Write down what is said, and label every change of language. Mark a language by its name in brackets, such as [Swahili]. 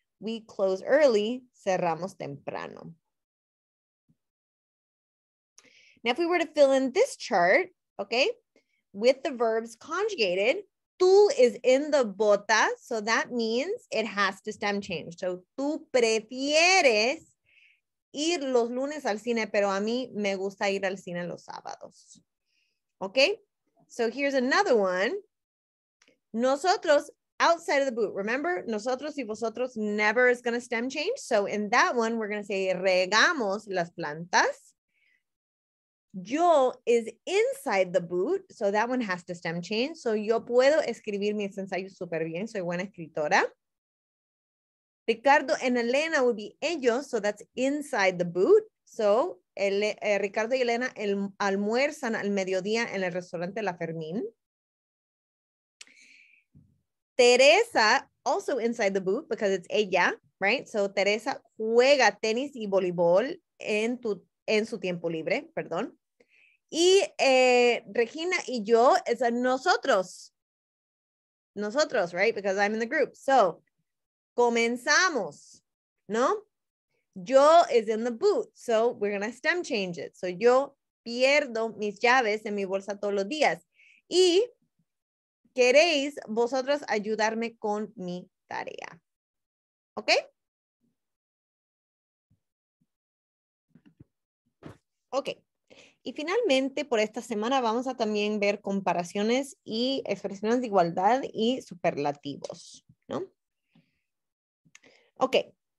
[English] We close early. [Spanish] Cerramos temprano. [English] Now, if we were to fill in this chart, okay, with the verbs conjugated, tú is in the bota, so that means it has to stem change. So [Spanish] tú prefieres ir los lunes al cine, pero a mí me gusta ir al cine los sábados. [English] Okay? So here's another one. Nosotros, outside of the boot. Remember, nosotros y vosotros, never is going to stem change. So in that one, we're going to say [Spanish] regamos las plantas. [English] Yo is inside the boot. So that one has to stem change. [Spanish] So yo puedo escribir mis ensayos súper bien. Soy buena escritora. [English] Ricardo and Elena would be ellos. So that's inside the boot. [Spanish] So Ricardo y Elena almuerzan al mediodía en el restaurante La Fermín. [English] Teresa, also inside the boot because it's ella, right? [Spanish] So Teresa juega tenis y voleibol en su tiempo libre, perdón. Y Regina y yo es a nosotros. Nosotros, [English] right? Because I'm in the group. [Spanish] So, comenzamos, ¿no? [English] Yo is in the boot, so we're going to stem change it. [Spanish] So yo pierdo mis llaves en mi bolsa todos los días. Y queréis vosotros ayudarme con mi tarea. ¿Okay? Okay. Y finalmente, por esta semana, vamos a también ver comparaciones y expresiones de igualdad y superlativos, ¿no? Okay.